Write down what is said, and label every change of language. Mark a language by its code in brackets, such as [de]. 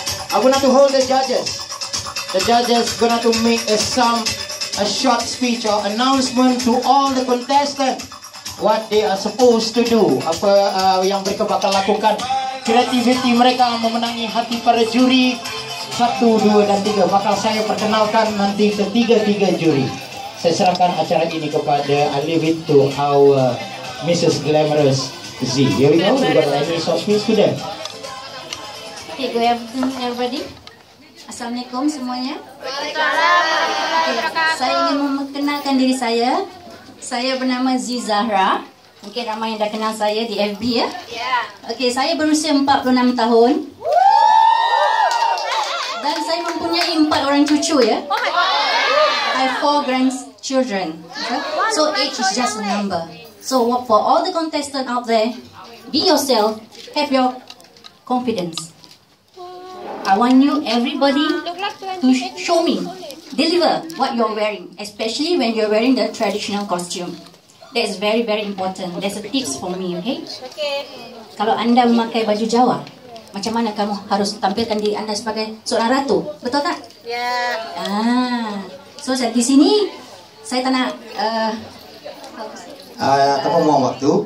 [en] I'm gonna to hold the judges. The judges gonna to make a short speech or announcement to all the contestants. What they are supposed to do. [ms] Apa yang mereka bakal lakukan. Kreativiti mereka memenangi hati para juri. Satu, dua, dan tiga. Bakal saya perkenalkan nanti ketiga-tiga juri. Saya serahkan acara ini kepada [en] I leave it to our Mrs. Glamorous Z. Here we go. We got any short speech to them. Okay, good afternoon everybody. [ms] Assalamualaikum semuanya. Okay, saya ingin memperkenalkan diri saya. Saya bernama Zee Zahra. Mungkin ramai yang dah kenal saya di FB ya. Okay, saya berusia 46 tahun. Dan saya mempunyai 4 orang cucu ya. [en] I have 4 grandchildren. So age is just a number. So for all the contestants out there, be yourself, have your confidence. I want you, everybody, to show me, deliver what you're wearing, especially when you're wearing the traditional costume. That is very, very important. That's a tips for me, okay? [ms] Kalau anda memakai baju Jawa, macam mana kamu harus tampilkan diri anda sebagai seorang ratu? Betul tak? Ya. So, saya di sini, saya tak nak... Kamu mau waktu?